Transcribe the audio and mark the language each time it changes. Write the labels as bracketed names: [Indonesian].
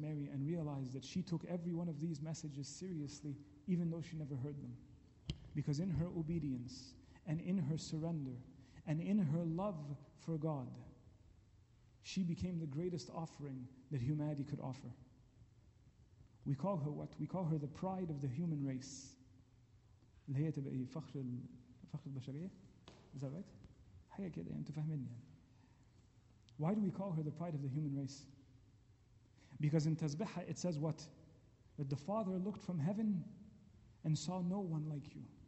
[English] Mary, and realize that she took every one of these messages seriously, even though she never heard them. Because in her obedience, and in her surrender, and in her love for God, she became the greatest offering that humanity could offer. We call her what? We call her the pride of the human race. [Arabic] اللي هي تبقى فخر الفخر البشرية. [English] Is that right? [Arabic] حاجة كده يعني تفهمني يعني. [English] Why do we call her the pride of the human race? Because in Tazbihah it says what? That the Father looked from heaven and saw no one like you.